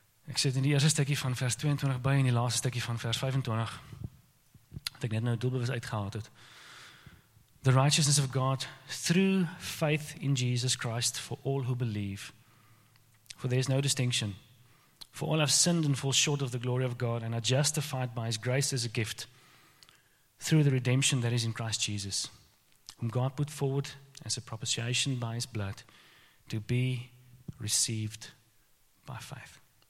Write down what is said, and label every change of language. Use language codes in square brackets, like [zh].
[af] Ek sit in die eerste stukkie van vers 22 by en die laaste stukkie van vers 25. Wat ek net nou doelbewus uitgehaald het. [en] The righteousness of God through faith in Jesus Christ for all who believe. For there is no distinction. For all have sinned and fall short of the glory of God and are justified by his grace as a gift through the redemption that is in Christ Jesus, whom God put forward as a propitiation by his blood to be received by faith.